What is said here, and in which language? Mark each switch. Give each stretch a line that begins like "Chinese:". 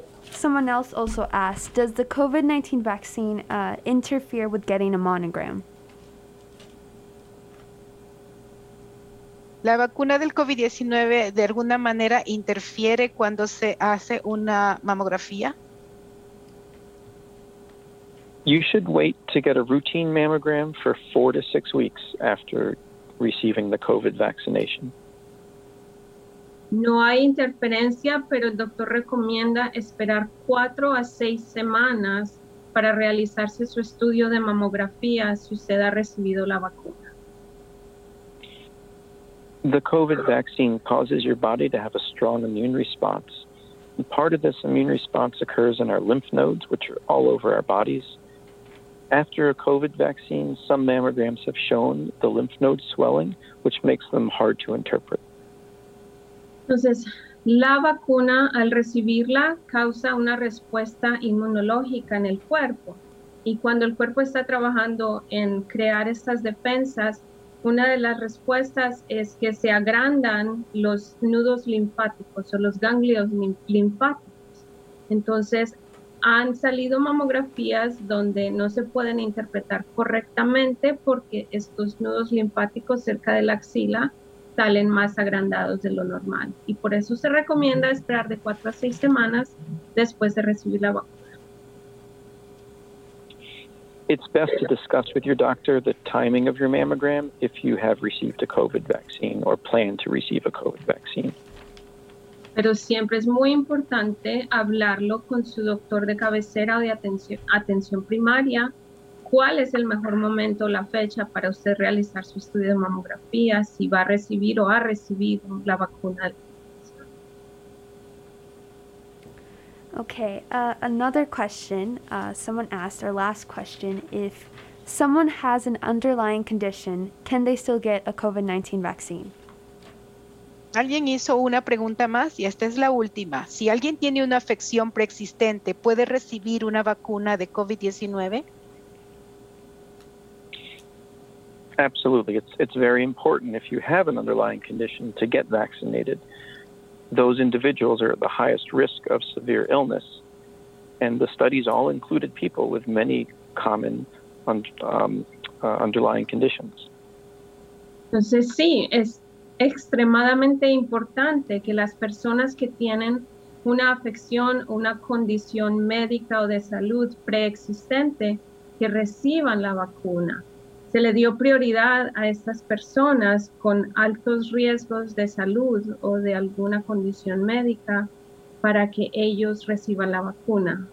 English: Someone else also asked, does the COVID-19 vaccine interfere with getting a monogram?
Spanish: La vacuna del COVID-19 de alguna manera interfiere cuando se hace una mamografía?
English: You should wait to get a routine mammogram for 4 to 6 weeks after receiving the COVID vaccination.
Spanish: No hay interferencia, pero el doctor recomienda esperar 4 a 6 semanas para realizarse su estudio de mamografía si usted ha recibido la vacuna.
English: The COVID vaccine causes your body to have a strong immune response. And part of this immune response occurs in our lymph nodes, which are all over our bodies. After a COVID vaccine, some mammograms have shown the lymph node swelling, which makes them hard to interpret.
Spanish: Entonces, la vacuna al recibirla causa una respuesta inmunológica en el cuerpo. Y cuando el cuerpo está trabajando en crear estas defensas, una de las respuestas es que se agrandan los nudos linfáticos o los ganglios linfáticos. Entonces, han salido mamografías donde no se pueden interpretar correctamente porque estos nudos linfáticos cerca de la axila salen más agrandados de lo normal. Y por eso se recomienda esperar de 4 a 6 semanas después de recibir la vacuna.
English: It's best to discuss with your doctor the timing of your mammogram if you have received a COVID vaccine or plan to receive a COVID vaccine.
Spanish: Pero siempre es muy importante hablarlo con su doctor de cabecera o de atención primaria. ¿Cuál es el mejor momento, la fecha para usted realizar su estudio de mamografía, si va a recibir o ha recibido la vacuna?
English: Okay, another question someone asked, our last question, if someone has an underlying condition, can they still get a COVID-19 vaccine?
Spanish: Alguien hizo una pregunta más y esta es la última. Si alguien tiene una afección preexistente, ¿puede recibir una vacuna de COVID-19?
English: Absolutely. It's very important if you have an underlying condition to get vaccinated. Those individuals are at the highest risk of severe illness, and the studies all included people with many common underlying conditions.
Spanish: Entonces sí, es extremadamente importante que las personas que tienen una afección, una condición médica o de salud preexistente, que reciban la vacuna. Se le dio prioridad a estas personas con altos riesgos de salud o de alguna condición médica para que ellos reciban la vacuna.